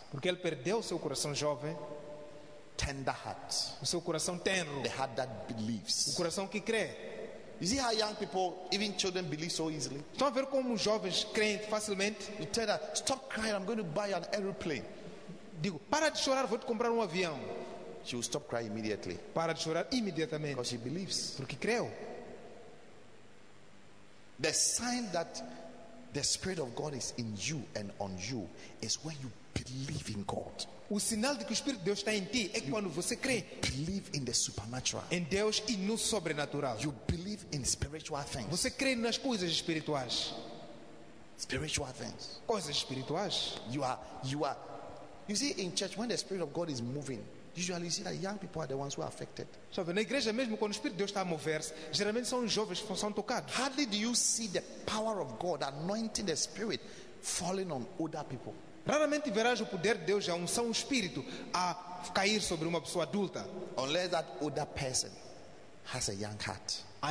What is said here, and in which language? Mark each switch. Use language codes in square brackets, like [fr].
[pt] Porque ele perdeu seu coração jovem. [en] tender heart. [pt] O seu coração tenro. [en] The heart that believes. [pt] O coração que crê. [en] You see how young people, even children, believe so easily? [pt] Estão a ver como jovens creem facilmente? [en] You tell her, stop crying, I'm going to buy an aeroplane. [pt] Digo, para de chorar, vou te comprar avião. [en] She will stop crying immediately. [pt] Para de chorar imediatamente. [en] Because she believes. [pt] Porque creu. [en] The sign that the Spirit of God is in you and on you is when you believe in God. [pt] O sinal de que o Espírito de Deus está em ti é quando você crê. [en] Believe in the supernatural. [pt] Em Deus e no sobrenatural. [en] You believe in spiritual things. [pt] Você crê nas coisas espirituais. [en] Spiritual things. [pt] Coisas espirituais. [en] You see, in church, when the Spirit of God is moving, usually you see that young people are the ones who are affected. [pt] Sabe, na igreja mesmo, quando o Espírito de Deus está a mover-se, geralmente são os jovens que são tocados. [en] Hardly do you see the power of God anointing the Spirit falling on older people. [pt] Raramente verás o poder de Deus, a unção do Espírito, a cair sobre uma pessoa adulta. [en] Unless that older person has a young heart.